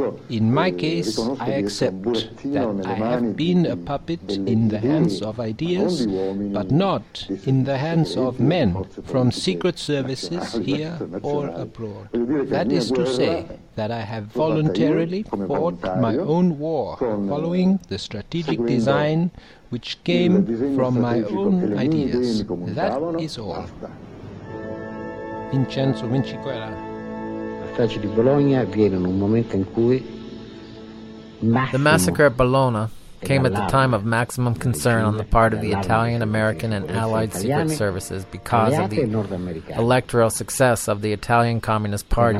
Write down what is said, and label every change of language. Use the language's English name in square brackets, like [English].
[English] In my case, I accept that I have been a puppet in the hands of ideas, but not in the hands of men from secret services here or abroad. That is to say that I have voluntarily fought my own war following the strategic design which came from my own ideas. That is all. Vincenzo Vinciquera. [Italian] Attacchi di Bologna avviene in un momento in cui [English] the massacre at Bologna came at the time of maximum concern on the part of the Italian-American and Allied secret services because of the electoral success of the Italian Communist Party.